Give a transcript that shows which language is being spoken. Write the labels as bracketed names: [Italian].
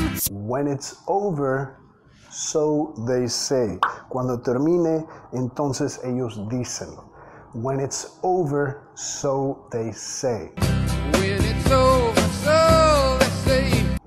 [English] When it's over, so they say. [Spanish] Cuando termine, entonces ellos dicen. [English] When it's over, so they say. When it's over, so they say.